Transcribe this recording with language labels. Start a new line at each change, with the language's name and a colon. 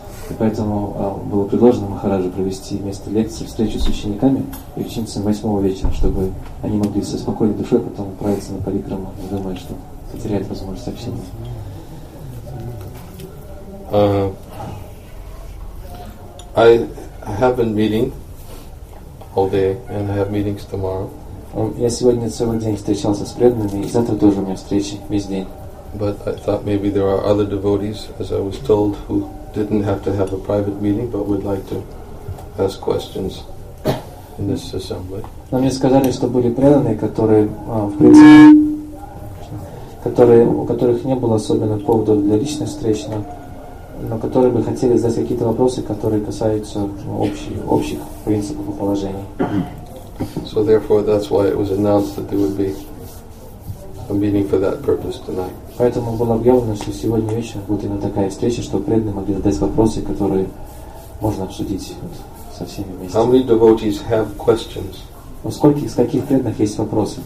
Russian: И поэтому было предложено Махараджу провести вместо лекции встречу с учениками и ученицами 8 вечера, чтобы они могли со спокойной душой потом отправиться на Парикраму, не думая, что потеряют возможность общения.
English: I have a meeting all day, and I have meetings tomorrow.
Russian: Я сегодня целый день встречался с преданными, и завтра тоже у меня встречи весь день.
English: But I thought maybe there are other devotees, as I was told, who didn't have to have a private meeting, but would like to ask questions in this assembly.
Russian: Но мне сказали, что были преданные, которые, в принципе, которые, у которых не было особенно поводов для личной встречи, но которые бы хотели задать какие-то вопросы, которые касаются общих принципов и положений.
English: So therefore, that's why it was announced that there would be a meeting for that purpose tonight.
Russian: Поэтому было объявлено, что сегодня вечером будет именно такая встреча, чтобы преданные могли задать вопросы, которые можно обсудить вот со всеми вместе.
English: How many devotees have questions?
Russian: Из каких преданных есть вопросы?